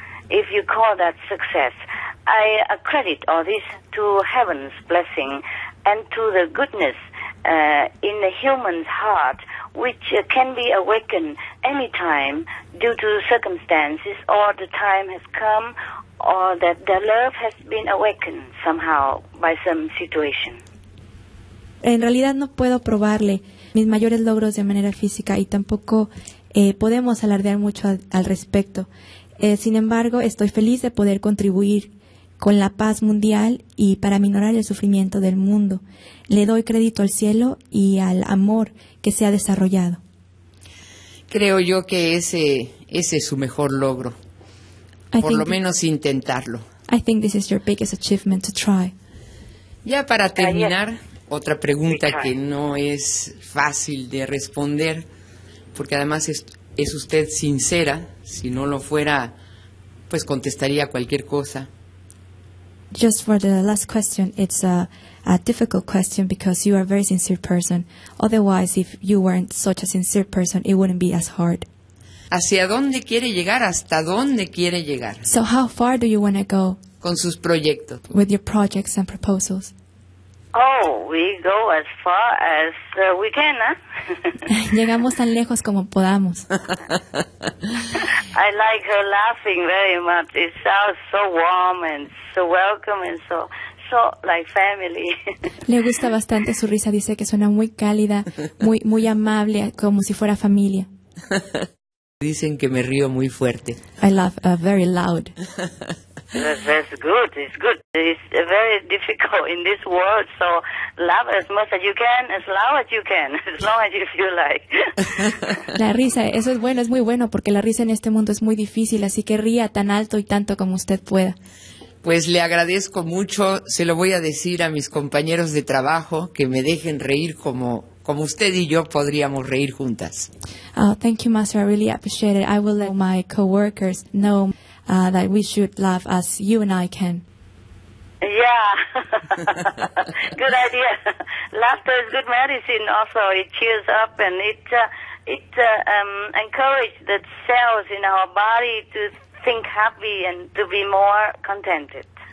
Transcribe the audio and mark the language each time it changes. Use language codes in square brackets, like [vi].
[en] If you call that success, I accredit all this to heaven's blessing and to the goodness in the human's heart, which can be awakened any time due to circumstances, or the time has come, or that the love has been awakened somehow by some situation. [es] En realidad no puedo probarle mis mayores logros de manera física y tampoco podemos alardear mucho al respecto. Sin embargo, estoy feliz de poder contribuir con la paz mundial y para aminorar el sufrimiento del mundo. Le doy crédito al cielo y al amor que se ha desarrollado. Creo yo que ese es su mejor logro. Por lo menos intentarlo. [en] I think this is your biggest achievement to try. [es] Ya para terminar, otra pregunta que no es fácil de responder, porque además es usted sincera. Si no lo fuera, pues contestaría cualquier cosa. [en] Just for the last question, it's a difficult question because you are a very sincere person. Otherwise, if you weren't such a sincere person, it wouldn't be as hard. [es] ¿Hacia dónde quiere llegar? ¿Hasta dónde quiere llegar? [en] So how far do you want to go? [es] Con sus proyectos. [en] With your projects and proposals. Oh, we go as far as we can, huh? [es] Llegamos tan lejos como podamos. [en] I like her laughing very much. It sounds so warm and so welcome and so like family. [es] Le gusta bastante su risa. Dice que suena muy cálida, muy muy amable, como si fuera familia. Dicen que me río muy fuerte. [en] I laugh very loud. That's good. It's good. It's very difficult in this world. So laugh as much as you can, as loud as you can, as long as you feel like. [es] La risa, eso es bueno, es muy bueno, porque la risa en este mundo es muy difícil, así que ría tan alto y tanto como usted pueda. Pues le agradezco mucho. Se lo voy a decir a mis compañeros de trabajo, que me dejen reír como usted y yo podríamos reír juntas. [en] Oh, thank you, Master. I really appreciate it. I will let my coworkers know that we should laugh as you and I can. Yeah. Good idea. Laughter is good medicine also. It cheers up and it encourages the cells in our body to think happy and to be more contented.